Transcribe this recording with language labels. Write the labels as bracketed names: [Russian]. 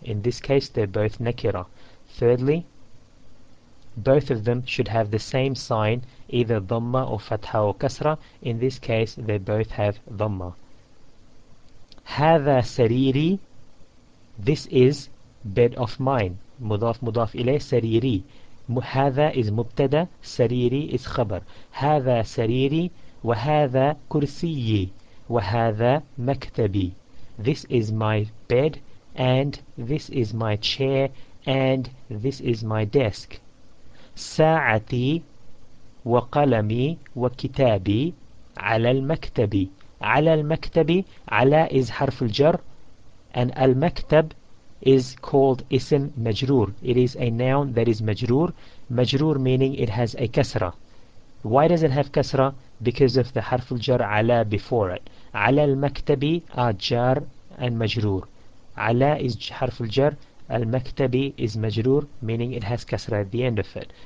[English] In this case, they're both nakira. Thirdly, both of them should have the same sign, either dhamma or fatha or kasra. In this case, they both have dhamma. [Arabic] هذا سريري, [English] this is bed of mine. [Arabic] مضاف مضاف إليه سريري. هذا is مبتدا, سريري is خبر. هذا سريري, وهذا كرسيي, وهذا مكتبي. [English] This is my bed, and this is my chair, and this is my desk. [Arabic] ساعتي وقلمي وكتابي على المكتب. على المكتب, على is حرف الجر, and المكتب is called اسم مجرور. [English] It is a noun that is مجرور. مجرور meaning it has a كسرة. Why does it have كسرة? Because of the حرف الجر على before it. على المكتب are جار and majrur. Ala is harf al jar. Al maktabi is majrur, meaning it has kasra at the end of it.